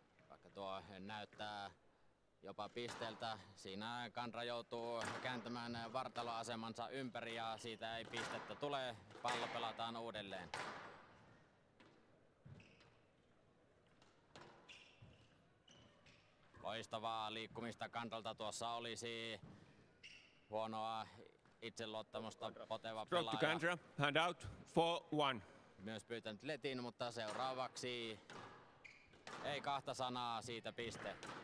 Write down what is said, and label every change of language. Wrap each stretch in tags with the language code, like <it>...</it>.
<fi>Vaikka tuo näyttää jopa pisteeltä, siinä Kandra joutuu kääntämään vartaloasemansa ympäri ja siitä ei pistettä tule, pallo pelataan uudelleen. Loistavaa liikkumista Kandralta tuossa olisi. Huonoa itseluottamusta poteva pelaaja.</fi> <en>Stroke to Kandra, hand out, 4-1.</en> <fi>Myös pyytänyt letin, mutta seuraavaksi ei kahta sanaa siitä piste.</fi>